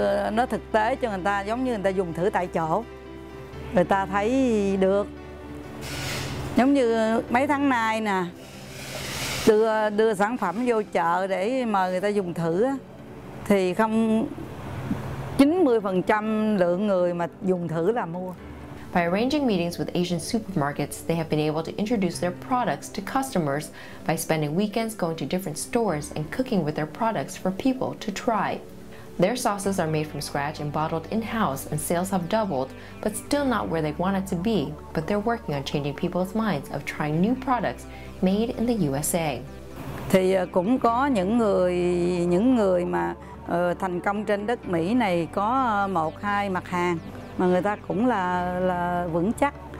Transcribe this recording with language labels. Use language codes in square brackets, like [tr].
[vi] Nó thực tế cho người ta, giống như người ta dùng thử tại chỗ. Người ta thấy được. Giống như mấy tháng nay nè, đưa sản phẩm vô chợ để mời người ta dùng thử á, thì không 90% lượng người mà dùng thử là mua. [en] By arranging meetings with Asian supermarkets, they have been able to introduce their products to customers by spending weekends going to different stores and cooking with their products for people to try. Their sauces are made from scratch and bottled in-house, and sales have doubled, but still not where they want it to be. But they're working on changing people's minds of trying new products made in the USA. [vi] Thì cũng có những người mà thành công trên đất Mỹ này có một hai mặt hàng mà người ta cũng là vững chắc.